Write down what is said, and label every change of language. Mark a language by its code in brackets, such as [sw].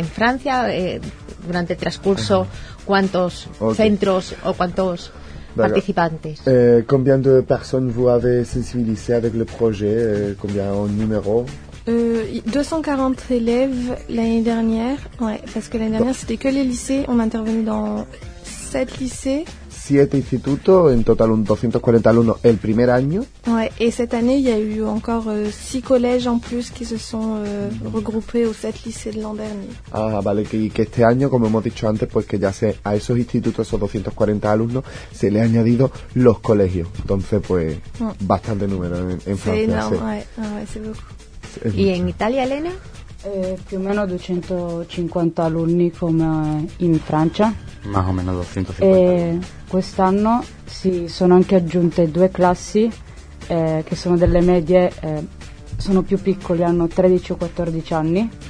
[es] En Francia, durante el transcurso, ¿cuántos centros o cuántos participantes? [fr] Combien de personnes vous avez sensibilisé avec le projet? Combien en numéro? 240 élèves l'année dernière. Ouais, parce que l'année dernière c'était que les lycées. On a intervenu dans 7 lycées. [es] 7 institutos, en total 240 alumnos el primer año. [fr] Ouais, et cette année il y a eu encore 6 collèges en plus qui se sont regroupés aux 7 lycées de l'an dernier. [es] Ah, vale, que este año, como hemos dicho antes, pues que ya se a esos institutos, esos 240 alumnos, se le han añadido los colegios. Entonces, pues, bastante número en Francia. [fr] C'est énorme, ouais, c'est beaucoup. [it] E in Italia, Elena? Più o meno 250 alunni come in Francia. [es] Más o menos 250. [it] Quest'anno si sono anche aggiunte 2 classi che sono delle medie, sono più piccoli, hanno 13 o 14 anni.